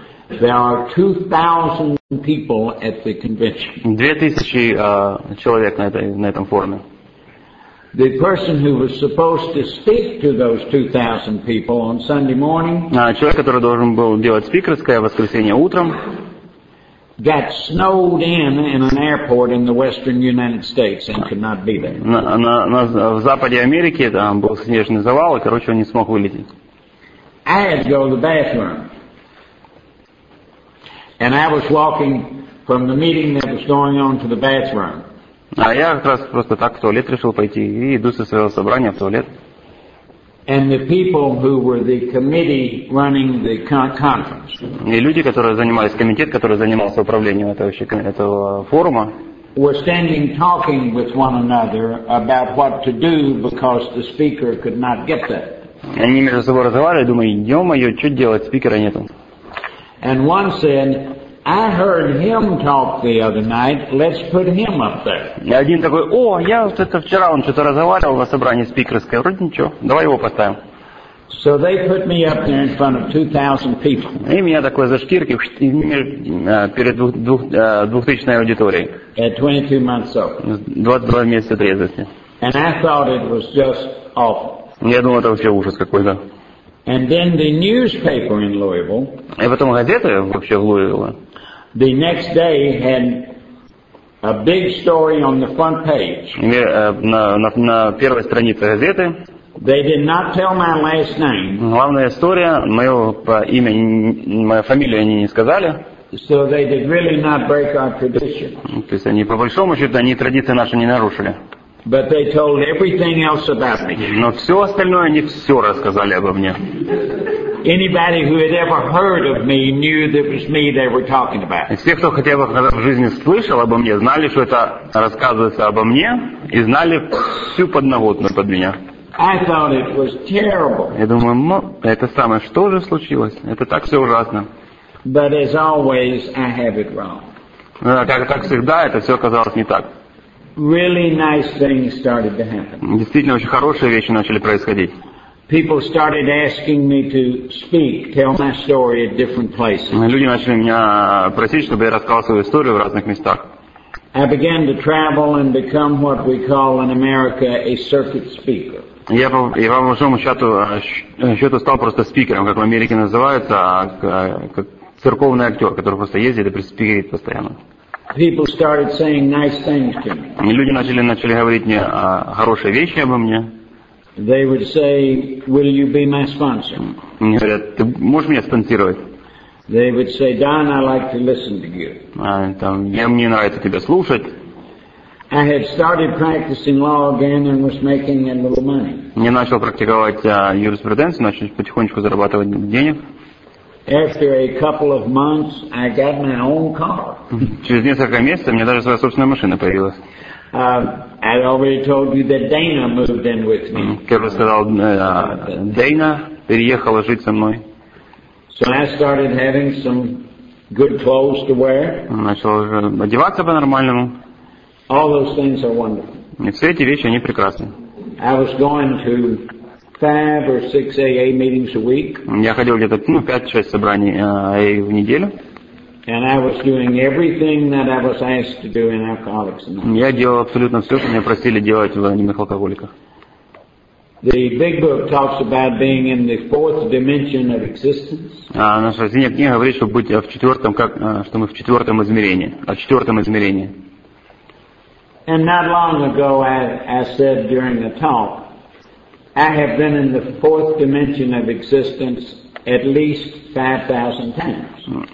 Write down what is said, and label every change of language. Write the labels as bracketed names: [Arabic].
[English] There are 2,000 people at the convention. [Russian] 2000 человек на этом форуме. [English] The person who was supposed to speak to those 2,000 people on Sunday morning. [Russian] Человек, который должен был делать спикерское воскресенье утром. [English] Got snowed in an airport in the western United States and could not be there. [Russian] На в западе Америки там был снежный завал, и короче, он не смог вылететь. [English] I had to go to the bathroom. And I was walking from the meeting that was going on to the bathroom. [Russian] А я как раз просто так в туалет решил пойти и иду со своего собрания в туалет. [English] And the people who were the committee running the conference. [Russian] И люди, которые занимались комитет, который занимался управлением этого форума, [English] were standing talking with one another about what to do because the speaker could not get there. [Russian] Они между собой разговаривали, думаю, ё-моё, что делать, спикера нету. [English] And one said, I heard him talk the other night, let's put him up there. [Russian] И один такой, о, я вот это вчера, он что-то разговаривал на собрании спикерской, вроде ничего, давай его поставим. [English] So they put me up there in front of 2,000 people. [Russian] И меня такой за шкирки перед 2000-й аудиторией. [English] At 22 months old. [Russian] 22 месяца трезвости. [English] And I thought it was just awful. [Russian] Я думал, это вообще ужас какой-то. [English] And then the newspaper in Louisville. [Russian] И потом газета вообще в Луизвилле. [English] The next day had a big story on the front page. [Russian] На первой странице газеты. [English] They did not tell my last name. [Russian] Главная история, моя фамилия они не сказали. [English] So they did really not break our tradition. [Russian] То есть они по большому счету они традиции наши не нарушили. [English] But they told everything else about me. [Russian] Но все остальное они все рассказали обо мне. [English] Anybody who had ever heard of me knew that it was me they were talking about. [Russian] Все, кто хотя бы когда в жизни слышал обо мне, знали, что это рассказывается обо мне, и знали всю подноготную под меня. [English] I thought it was terrible. [Russian] Я думаю, это самое, что же случилось? Это так все ужасно. [English] But as always, I have it wrong. [Russian] Как всегда, это все оказалось не так. [English] Really nice things started to happen. [Russian] Действительно, очень хорошие вещи начали происходить. [English] People started asking me to speak, tell my story at different places. [Russian] Люди начали меня просить, чтобы я рассказал свою историю в разных местах. [English] I began to travel and become what we call in America a circuit speaker. [Russian] Я по большому счету стал просто спикером, как в Америке называется, как церковный актер, который просто ездит и спикерит постоянно. [English] People started saying nice things to me. [Russian] Люди начали говорить мне хорошие вещи обо мне. [English] They would say, "Will you be my sponsor?" [Russian] Они говорят, ты можешь меня спонсировать? [English] They would say, "Don, I like to listen to you." [Russian] Мне нравится тебя слушать. [English] I had started practicing law again and was making a little money. [Russian] Я начал практиковать юриспруденцию, начал потихонечку зарабатывать денег. [English] After a couple of months, I got my own car. [Russian] Через несколько месяцев мне даже своя собственная машина появилась. [English] I already told you that Dana moved in with me. [Russian] Как я сказал, Дейна переехала жить со мной. [English] So I started having some good clothes to wear. [Russian] Начал уже одеваться по-нормальному. [English] All those things are wonderful. [Russian] И все эти вещи, они прекрасны. [English] I was going to 5 or 6 AA meetings a week. [Russian] Я ходил где-то 5-6 собраний AA в неделю. [English] And I was doing everything that I was asked to do in Alcoholics Anonymous. [Russian] Я делал абсолютно все, что меня просили делать в анонимных алкоголиках. [English] The Big Book talks about being in the fourth dimension of existence. [Russian] Наша синяя книга говорит, что быть в четвертом, что мы в четвертом измерении, о четвертом измерении. [English] And not long ago, I said during the talk, I have been in the fourth dimension of existence at least 5,000 times.